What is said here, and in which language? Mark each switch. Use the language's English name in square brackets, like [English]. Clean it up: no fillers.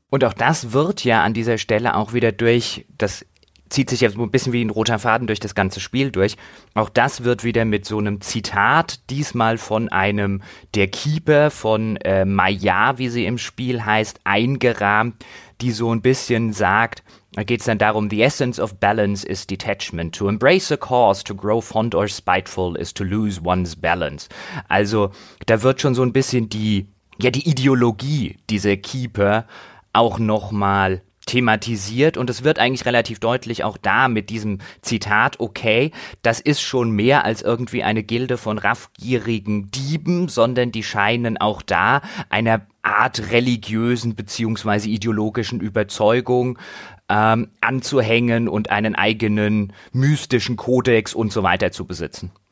[German] Und auch das wird ja an dieser Stelle auch wieder durch, das zieht sich ja so ein bisschen wie ein roter Faden durch das ganze Spiel durch, auch das wird wieder mit so einem Zitat, diesmal von einem der Keeper von Maya, wie sie im Spiel heißt, eingerahmt, die so ein bisschen sagt, da geht es dann darum, [English] the essence of balance is detachment. To embrace a cause, to grow fond or spiteful is to lose one's balance. [German] Also da wird schon so ein bisschen die Ideologie dieser Keeper auch nochmal thematisiert und es wird eigentlich relativ deutlich auch da mit diesem Zitat, okay, das ist schon mehr als irgendwie eine Gilde von raffgierigen Dieben, sondern die scheinen auch da einer Art religiösen beziehungsweise ideologischen Überzeugung anzuhängen und einen eigenen mystischen Kodex und so weiter zu besitzen.